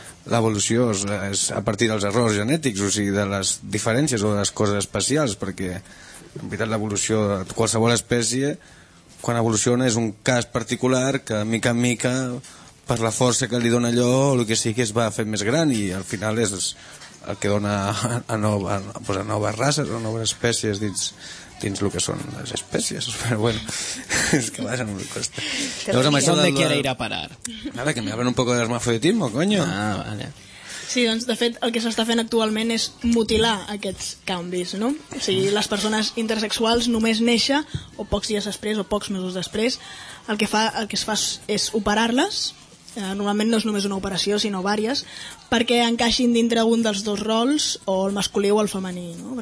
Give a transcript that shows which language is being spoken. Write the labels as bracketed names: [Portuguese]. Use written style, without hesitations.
[Catalan] l'evolució és a partir dels errors genètics, o sigui, de les diferències o de les coses especials, perquè, en veritat, l'evolució de qualsevol espècie, quan evoluciona, és un cas particular que, de mica en mica, per la força que li dona allò, el que sigui, es va fer més gran, i al final és el que dona a noves races o noves espècies dins el que són les espècies, però bueno, és que va ser molt costa. Llavors, amb això de [Spanish] quiere ir a parar. Nada, que me hablen un poco de hermafroditismo, coño. Ah, vale. [Catalan] Sí, doncs, de fet, el que s'està fent actualment és mutilar aquests canvis, no? O sigui, les persones intersexuals només néixer, o pocs dies després, o pocs mesos després, el que es fa és operar-les. Normalment no és només una operació, sinó vàries, perquè encaixin dintre un dels dos rols, o el masculí o el femení, no?